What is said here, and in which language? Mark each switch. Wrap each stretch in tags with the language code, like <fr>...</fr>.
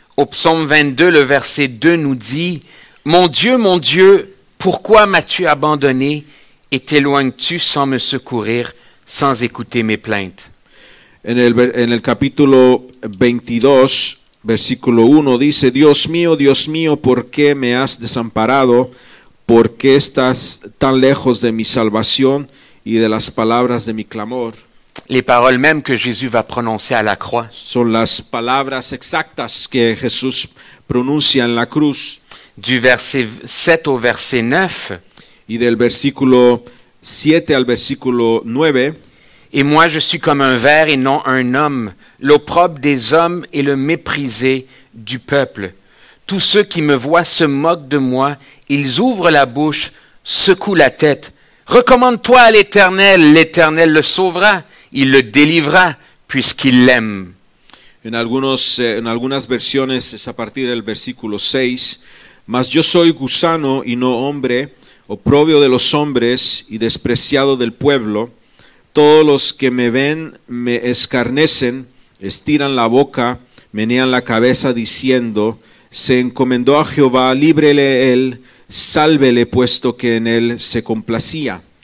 <fr>Au psaume 22, le verset 2 nous dit: mon Dieu, pourquoi m'as-tu abandonné et t'éloignes-tu sans me secourir, sans écouter mes plaintes?</fr> <es>En el capítulo 22, versículo 1 dice: Dios mío, ¿por qué me has desamparado? ¿Por qué estás tan lejos de mi salvación y de las palabras de mi clamor?</es> <fr>Les paroles mêmes que Jésus va prononcer à la croix.</fr> <es>Son las palabras exactas que Jesús pronuncia en la cruz.</es> <fr>Du verset 7 au verset 9.</fr> <es>Y del versículo 7 al versículo 9.</es> <fr>Et moi je suis comme un ver et non un homme, l'opprobre des hommes et le méprisé du peuple. Tous ceux qui me voient se moquent de moi, ils ouvrent la bouche, secouent la tête. Recommande-toi à l'Éternel, l'Éternel le sauvera. Il le délivrera puisqu'il l'aime.</fr> <es>En algunas versiones es a partir del versículo 6. Mas yo soy gusano y no hombre, oprobio de los hombres y despreciado del pueblo. Todos los que me ven me escarnecen, estiran la boca, menean la cabeza diciendo: se encomendó a Jehová, líbrele él, sálvele, puesto que en él se complacía.</es>